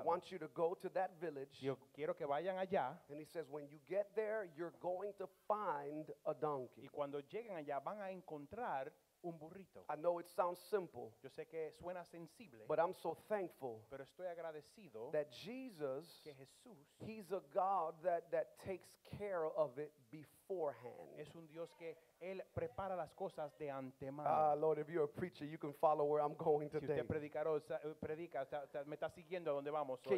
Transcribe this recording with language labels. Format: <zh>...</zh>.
<en>He says, I want you to go to that village.</en> <es>Yo quiero que vayan allá.</es> <en>And he says, when you get there, you're going to find a donkey.</en> <es>Y cuando lleguen allá, van a encontrar un burrito.</es> <en>I know it sounds simple.</en> <es>Yo sé que suena sensible.</es> <en>But I'm so thankful.</en> <es>Pero estoy agradecido.</es> <en>That Jesus,</en> <es>que Jesús,</es> <en>he's a God that takes care of it beforehand.</en> <es>Es un Dios que él prepara las cosas de antemano.</es> <en>Lord, if you're a preacher, you can follow where I'm going today.</en> <es>Si usted predica, me está siguiendo a donde vamos hoy.</es>